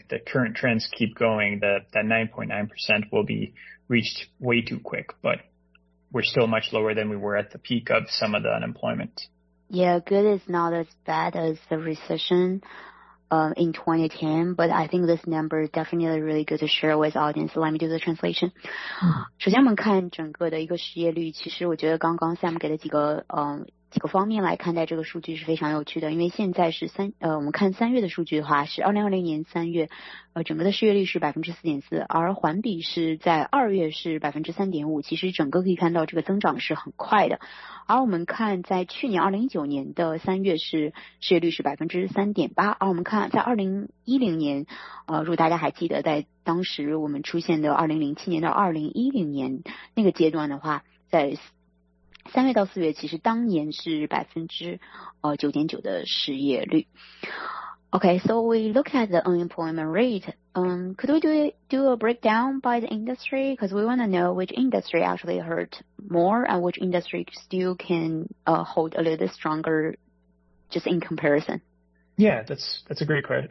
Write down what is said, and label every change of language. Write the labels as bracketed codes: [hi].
[en] If the current trends keep going, that 9.9% will be reached way too quick. But we're still much lower than we were at the peak of some of the unemployment. Yeah, good is not as bad as the recession in 2010, but I think this number is definitely really good to share with audience. Let me do the translation. [zh] 首先我们看整个的一个失业率，其实我觉得刚刚 Sam 给的几个方面来看待这个数据是非常有趣的，因为现在是我们看三月的数据的话，是2020年3月，整个的失业率是4.4%，而环比是在二月是3.5%，其实整个可以看到这个增长是很快的。而我们看在去年2019年3月是失业率是3.8%，而我们看在2010年，如果大家还记得，在当时我们出现的2007年到2010年那个阶段的话，在三月到四月其实当年是9.9%的失业率。 [en] OK, so we look at the unemployment rate. Could we do a breakdown by the industry? Because we want to know which industry actually hurt more and which industry still can hold a little bit stronger just in comparison. Yeah, that's a great question.